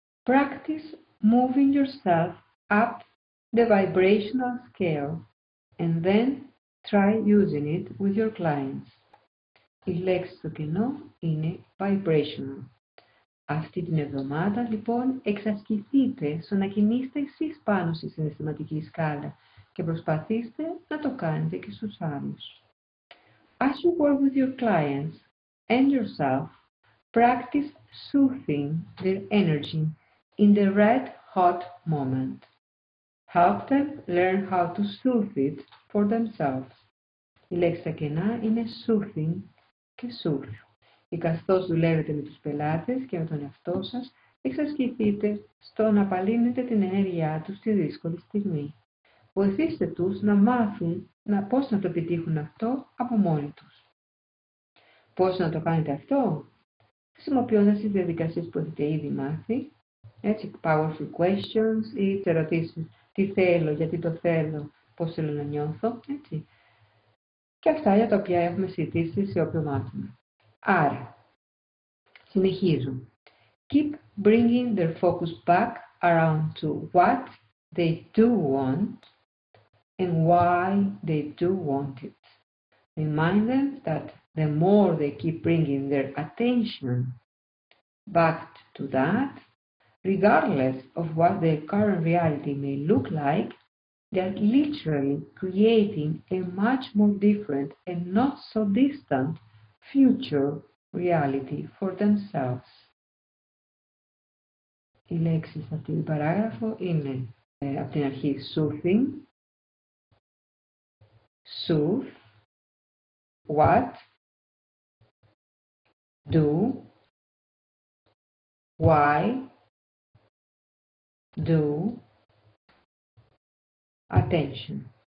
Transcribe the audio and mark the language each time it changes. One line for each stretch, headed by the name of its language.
English: Practice moving yourself up the vibrational scale and then try using it with your clients.
Greek: Η λέξη στο κενό είναι vibrational. Αυτή την εβδομάδα, λοιπόν, εξασκηθείτε στο να κινείστε εσείς πάνω στη συναισθηματική σκάλα και προσπαθήστε να το κάνετε και στους άλλους.
English: As you work with your clients and yourself, practice soothing their energy in the red hot moment. Help them learn how to soothe it for themselves.
Greek: Η λέξη στα κενά είναι soothing και soothe. Και καθώς δουλεύετε με τους πελάτες και με τον εαυτό σας, εξασκηθείτε στο να απαλύνετε την ενέργειά τους στη δύσκολη στιγμή. Βοηθήστε τους να μάθουν πώς να το επιτύχουν αυτό από μόνοι τους. Πώς να το κάνετε αυτό? Χρησιμοποιώντας τις διαδικασίες που έχετε ήδη μάθει, έτσι, powerful questions ή τις ερωτήσεις τι θέλω, γιατί το θέλω, πώς θέλω να νιώθω, έτσι. Και αυτά για τα οποία έχουμε συζητήσει σε όποιο μάθημα. Άρα, συνεχίζω.
English: Keep bringing their focus back around to what they do want and why they do want it. Remind them that the more they keep bringing their attention back to that, regardless of what their current reality may look like, They are literally creating a much more different and not so distant future reality for themselves.
Greek: Οι λέξεις αυτή του παράγραφου είναι από την αρχή soothing, soothe, what, do, why, do, attention.